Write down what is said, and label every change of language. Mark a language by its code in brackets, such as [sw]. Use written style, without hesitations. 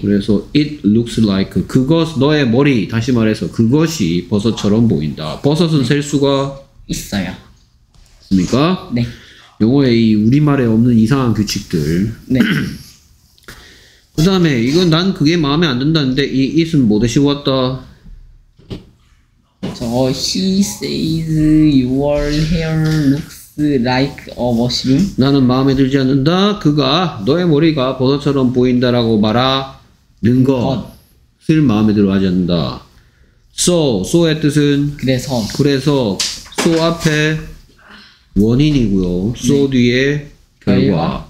[ko] 그래서 [en] it looks like [ko] 그것 너의 머리 다시 말해서 그것이 버섯처럼 보인다. 버섯은 네. 셀 수가 있어요. 됐습니까? 네. 영어에 이 우리말에 없는 이상한 규칙들. 네. 그 다음에 이건 난 그게 마음에 안 든다는데 이 it은 뭐 대신 왔다? 저거 [en] he says your hair looks like a mushroom. [ko] 나는 마음에 들지 않는다. 그가 너의 머리가 버섯처럼 보인다라고 말하는 것을 마음에 들어 하지 않는다. So의 뜻은 그래서. 그래서 so 앞에 원인이고요. So 네. 뒤에 결과.